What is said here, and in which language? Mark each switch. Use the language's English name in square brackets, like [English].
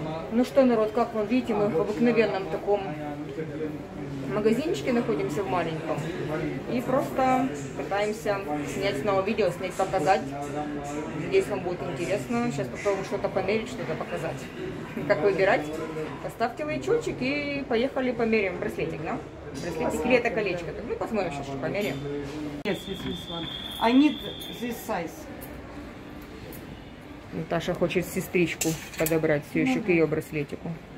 [Russian] Ну что, народ, как вы видите, мы в обыкновенном таком магазинчике находимся, в маленьком, и просто пытаемся снять снова видео, снять, показать. Надеюсь, вам будет интересно, сейчас попробуем что-то померить, что-то показать. Как выбирать? Поставьте лайчочек и поехали померим браслетик, да? Браслетик или это колечко? Так, ну, посмотрим сейчас, что померим. [English] Yes, this one. I need this size. [Russian] Наташа хочет сестричку подобрать, все еще к ее браслетику.